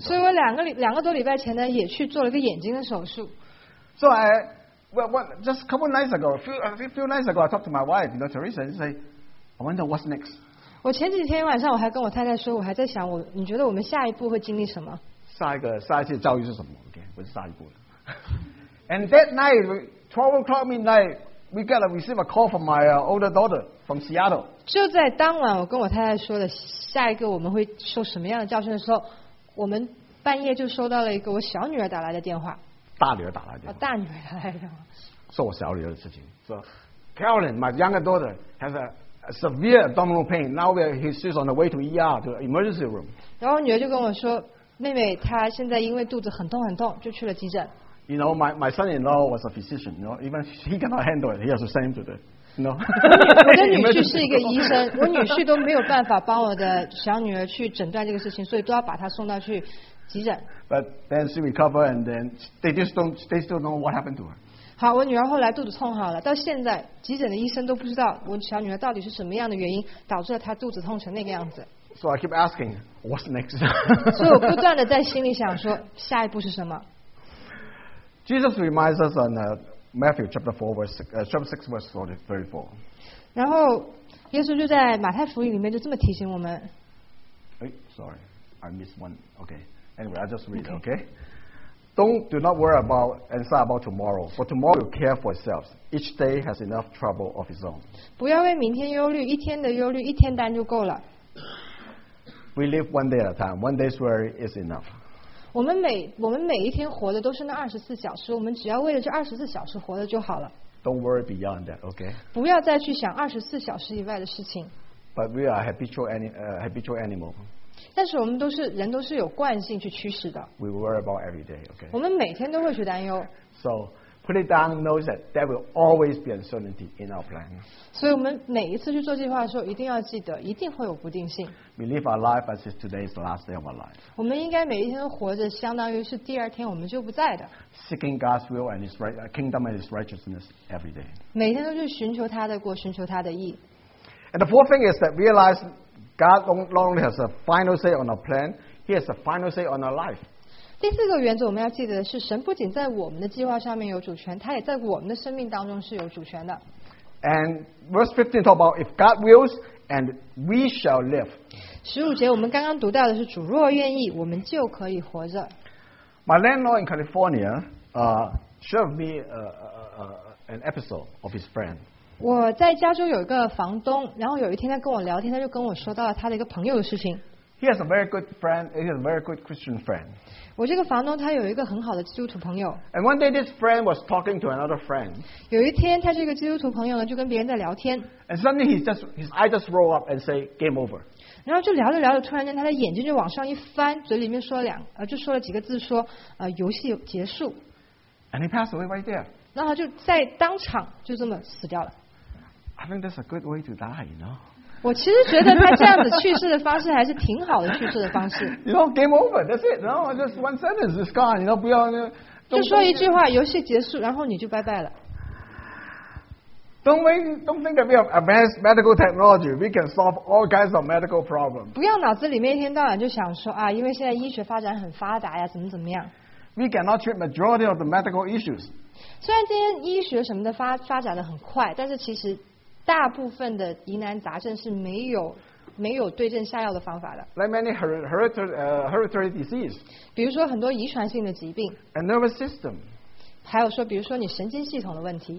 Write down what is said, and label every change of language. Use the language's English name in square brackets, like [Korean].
[Chinese] 所以我两个多礼拜前呢，也去做了个眼睛的手术。 [English] So I, just a couple nights ago, a few nights ago, I talked to my wife, you know, Teresa, and say. I wonder what's next. [Chinese] 我前几天晚上我还跟我太太说，我还在想我，你觉得我们下一步会经历什么？下一次的遭遇是什么 ？OK, 不是下一步的。 [English] And that night, 12 o'clock midnight, we got to receive a call from my older daughter from Seattle. [Chinese] 就在当晚，我跟我太太说了下一个我们会受什么样的教训的时候，我们半夜就收到了一个我小女儿打来的电话。大女儿打来的电话。大女儿打来的电话。是我小女儿的事情。 [English] So, Carolyn, my younger daughter has a severe abdominal pain. Now she's on the way to ER, to the emergency room. [Chinese] 然后女儿就跟我说，妹妹她现在因为肚子很痛很痛，就去了急诊。 [English] You know, my son-in-law was a physician. You know, even he cannot handle it. He has to send him to the, you know. [Chinese] 我的女婿是一个医生，我女婿都没有办法帮我的小女儿去诊断这个事情，所以都要把她送到去急诊。 [English] But then she recovered, and then they still don't know what happened to her. [Chinese] 好，我女儿后来肚子痛好了，到现在急诊的医生都不知道我小女儿到底是什么样的原因导致了她肚子痛成那个样子。 [English] So I keep asking, what's next? [Chinese] 所以我不断的在心里想说，下一步是什么？ [English] Jesus reminds us on Matthew chapter 6 verse 34. [Chinese] 然后耶稣就在马太福音里面就这么提醒我们。 [English] Sorry, I missed one. Okay, anyway, I just read it. Okay. Do not worry about and say about tomorrow, for tomorrow will care for itself. Each day has enough trouble of its own. [Chinese] 不要为明天忧虑，一天的忧虑一天担就够了。 [English] We live one day at a time. One day's worry is enough. [Chinese] 我们每一天活的都是那二十四小时，我们只要为了这二十四小时活的就好了。 [English] Don't worry beyond that, okay? [Chinese] 不要再去想二十四小时以外的事情。 [English] But we are habitual animal. [Chinese] 但是我们都是人，都是有惯性去驱使的。 [English] We worry about every day, okay? [Chinese] 我们每天都会去担忧。 [English] So put it down, know that there will always be uncertainty in our plan. [Chinese] 所以我们每一次去做计划的时候，一定要记得，一定会有不定性。 [English] We live our life as if today is the last day of our life. [Chinese] 我们应该每一天都活着，相当于是第二天我们就不在的。 [English] Seeking God's will and His kingdom and His righteousness every day. [Chinese] 每天都去寻求他的过，寻求他的义。 [English] And the fourth thing is that realize. God not only has a final say on our plan, He has a final say on our life. [Chinese] 第四个原则我们要记得的是，神不仅在我们的计划上面有主权，他也在我们的生命当中是有主权的。 [English] And verse 15 talk about if God wills, and we shall live. [Chinese] 十五节我们刚刚读到的是主若愿意，我们就可以活着。 [English] My landlord in California, shared with me an episode of his friend. [Chinese] 我在加州有一个房东，然后有一天他跟我聊天，他就跟我说到了他的一个朋友的事情。 [English] He has a very good friend. He has a very good Christian friend. [Chinese] 我这个房东他有一个很好的基督徒朋友。 [English] And one day this friend was talking to another friend. [Chinese] 有一天他这个基督徒朋友呢就跟别人在聊天。 [English] And suddenly his eyes just roll up and say game over. [Chinese] 然后就聊着聊着，突然间他的眼睛就往上一翻，嘴里面说了就说了几个字，说游戏结束。 [English] And he passed away right there. [Chinese] 然后就在当场就这么死掉了。 [English] I think that's a good way to die, you know. [Chinese] 我其实觉得他这样子去世的方式还是挺好的去世的方式。 [English] You know, game over, that's it. No, just one sentence, it's gone. You know, [Chinese] 不要就说一句话，游戏结束，然后你就拜拜了。 [English] Don't think that we have advanced medical technology. We can solve all kinds of medical problems. [Chinese] 不要脑子里面一天到晚就想说啊，因为现在医学发展很发达呀，怎么怎么样。 [English] We cannot treat majority of the medical issues. [Chinese] 虽然今天医学什么的发展的很快，但是其实。大部分的疑难杂症是没有对症下药的方法的。 [English] Like many hereditary disease. [Chinese] 比如说很多遗传性的疾病。 [English] A nervous system. [Chinese] 还有说，比如说你神经系统的问题。